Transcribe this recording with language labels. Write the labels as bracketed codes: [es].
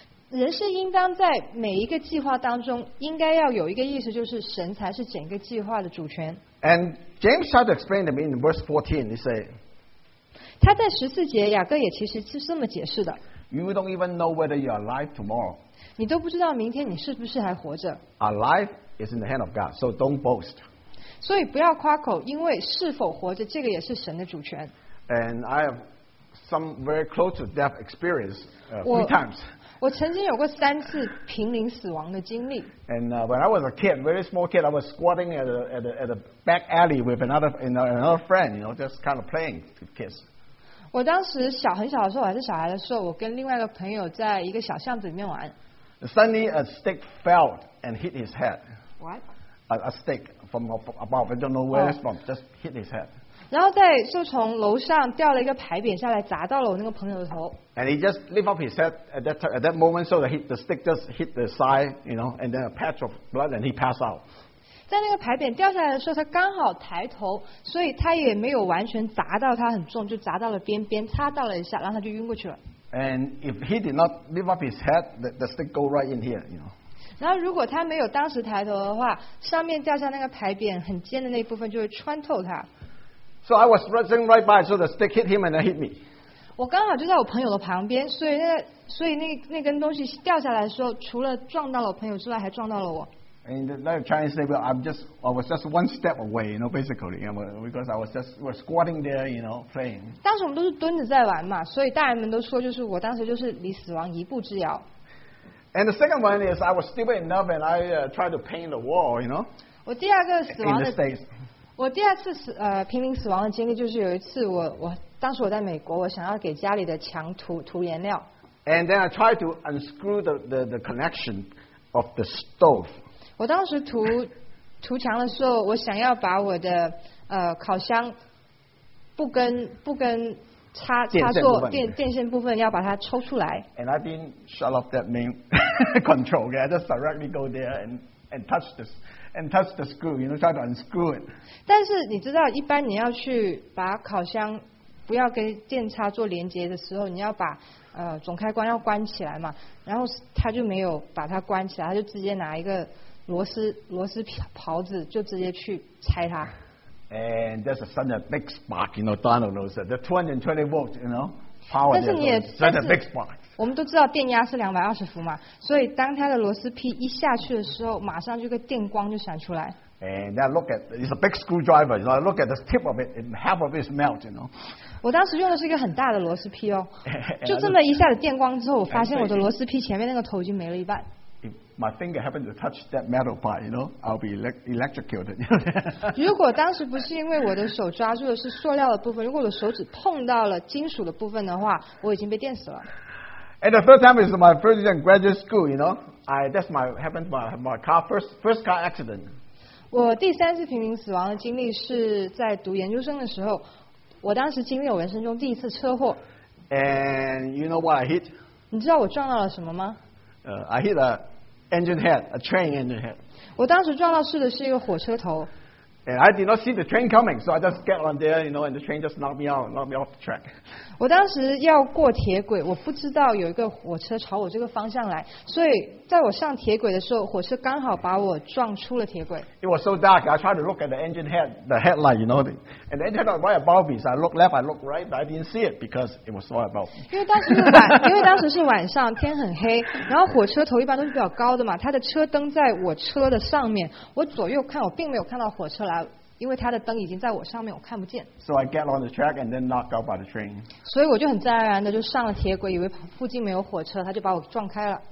[zh] 人是应当在每一个计划当中，应该要有一个意思，就是神才是整个计划的主权。 [en] And James tried to explain to me in verse 14. He said. [zh] 他在十四节，雅各也其实是这么解释的。 [en] You don't even know whether you are alive tomorrow. [zh] 你都不知道明天你是不是还活着。 [en] Alive is in the hand of God, so don't boast. [zh] 所以不要夸口，因为是否活着，这个也是神的主权。 [en] And I have some very close to death experience three times. [zh] 我曾经有过三次濒临死亡的经历。 [en] And when I was a kid, very small kid, I was squatting at a back alley with another friend, you know, just kind of playing with kids. [zh] 我当时小很小的时候，我还是小孩的时候，我跟另外一个朋友在一个小巷子里面玩。 [en] Suddenly, a stick fell and hit his head. What? A stick from above, I don't know where it's from, just hit his head. [zh] 然后在就从楼上掉了一个牌匾下来，砸到了我那个朋友的头。 [en] And he just lift up his head at that moment, so that the stick just hit the side, you know, and then a patch of blood, and he passed out. [zh] 在那个牌匾掉下来的时候，他刚好抬头，所以他也没有完全砸到他很重，就砸到了边，擦到了一下，然后他就晕过去了。 [en] And if he did not lift up his head, the stick go right in here, you know. [zh] 然后如果他没有当时抬头的话，上面掉下那个牌匾很尖的那部分就会穿透他。 [en] So I was sitting right by, so the stick hit him and then hit me. [zh] 我刚好就在我朋友的旁边，所以那根东西掉下来的时候，除了撞到了我朋友之外，还撞到了我。 [en] And the Chinese say, "Well, I was just one step away, you know, basically, you know, because I was squatting there, you know, playing." [zh] 当时我们都是蹲着在玩嘛，所以大人们都说，就是我当时就是离死亡一步之遥。 [en] And the second one is I was stupid enough, and I tried to paint the wall, you know. [zh] 我第二个死亡的 [en] in the States. [zh] 我第二次濒临死亡的经历就是有一次我当时我在美国，我想要给家里的墙涂颜料。 [en] And then I tried to unscrew the connection of the stove. [zh] 我当时涂墙的时候，我想要把我的烤箱不跟插座电线部分要把它抽出来。 [en] And I didn't shut off that main control. Okay, I just directly go there and touch the screw. You know, try to unscrew it. [zh] 但是你知道，一般你要去把烤箱不要跟电插座连接的时候，你要把总开关要关起来嘛。然后他就没有把它关起来，他就直接拿一个。螺丝袍子就直接去拆它。 [en] And there's a sudden big spark, you know, Donald knows that. The 220 volts, you know, power. [zh] 但是你也知道， [en] big spark. [zh] 我们都知道电压是220伏嘛，所以当它的螺丝批一下去的时候，马上就个电光就闪出来。 [en] And then look at it's a big screwdriver, you know, look at the tip of it, and half of it is melt, you know. [zh] 我当时用的是一个很大的螺丝批哦，就这么一下子电光之后，我发现我的螺丝批前面那个头已经没了一半。 [en] If my finger happened to touch that metal part, you know, I'll be electrocuted. [zh] 如果当时不是因为我的手抓住的是塑料的部分，如果我的手指碰到了金属的部分的话，我已经被电死了。 [en] And the third time is my first year in graduate school, you know, that's my car first car accident. [zh] 我第三次濒临死亡的经历是在读研究生的时候，我当时经历我人生中第一次车祸。 [en] And you know what I hit? [zh] 你知道我撞到了什么吗？ [en] I hit an engine head, a train engine head. [zh] 我当时撞到是的是一个火车头。 [en] And I did not see the train coming, so I just get on there, you know, and the train just knocked me off the track. [zh] 我当时要过铁轨，我不知道有一个火车朝我这个方向来，所以在我上铁轨的时候，火车刚好把我撞出了铁轨。 [en] It was so dark, I tried to look at the engine head, the headlight, you know, and the engine light was right above me, so I looked left, I looked right, but I didn't see it because it was right above me. [zh] 因为当时是晚上，天很黑，然后火车头一般都是比较高的嘛，它的车灯在我车的上面，我左右看，我并没有看到火车。因为他的灯已经在我上面，我看不见。 [en] So I get on the track and then knocked out by the train. [zh] 所以我就很自然而然的就上了铁轨，以为附近没有火车，他就把我撞开了。